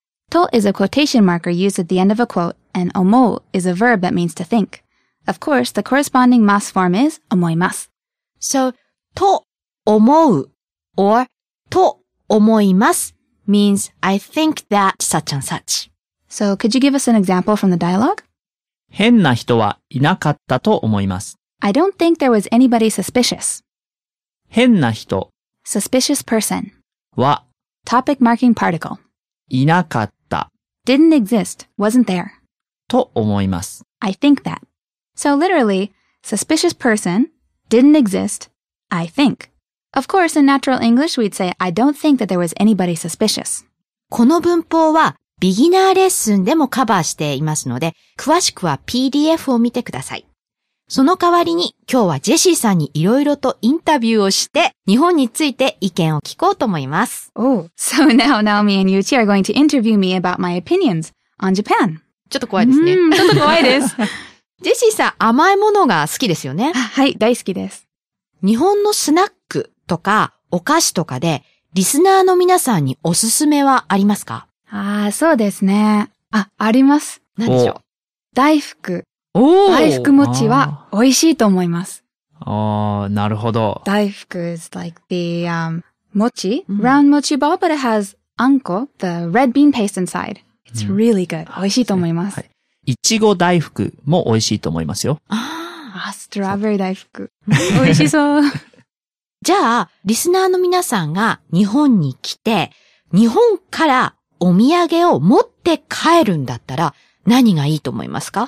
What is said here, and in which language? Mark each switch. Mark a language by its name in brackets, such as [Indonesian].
[English] To is a quotation marker used at the end of a quote, and 思う is a verb that means to think. Of course, the corresponding ます form is 思います. So, と思う or と思います means I think that such and such. So, could you give us an example from the dialogue? [Japanese] 変な人はいなかったと思います。 [English] I don't think there was anybody suspicious. [Japanese] 変な人 [English] suspicious person [Japanese] は [English] topic marking particle [Japanese] いなかった [English] didn't exist, wasn't there [Japanese] と思います。 [English] I think that. So literally, suspicious person didn't exist, I think. Of course, in natural English, we'd say, I don't think that there was anybody suspicious. [Japanese] この文法はビギナーレッスンでもカバーしていますので、詳しくは PDF を見てください。その代わりに今日はジェシーさんにいろいろとインタビューをして、日本について意見を聞こうと思います。 Oh, so now Naomi and Yuchi are going to interview me about my opinions on Japan. ちょっと怖いですね。ちょっと怖いです。ジェシーさん、甘いものが好きですよね。はい、大好きです。日本のスナックとかお菓子とかで、リスナーの皆さんにおすすめはありますか？ああ、そうですね。あ、あります。何でしょう。大福。大福餅は美味しいと思います。ああ、なるほど。 [English] 大福 is like the, 餅、うん、round 餅 ball, but it has あんこ the red bean paste inside. It's really good.、 [Japanese] うん、美味しいと思います。いちご大福も美味しいと思いますよ。ああ、ストロベリー大福。美味しそう。じゃあ、リスナーの皆さんが日本に来て、日本からお土産を持って帰るんだったら何がいいと思いますか？